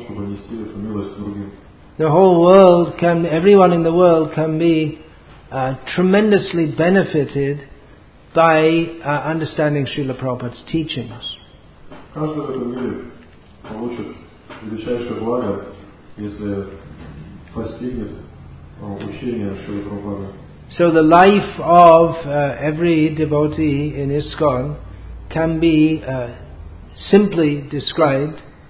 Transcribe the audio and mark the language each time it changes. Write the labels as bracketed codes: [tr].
[en] The whole world can, everyone in the world can be tremendously benefited by understanding Srila Prabhupada's teachings. [ru] Каждый в этом мире получит величайшее благо, если постигнет учение Шрилы Прабхупады. [en] So the life of every devotee in ISKCON can be simply described.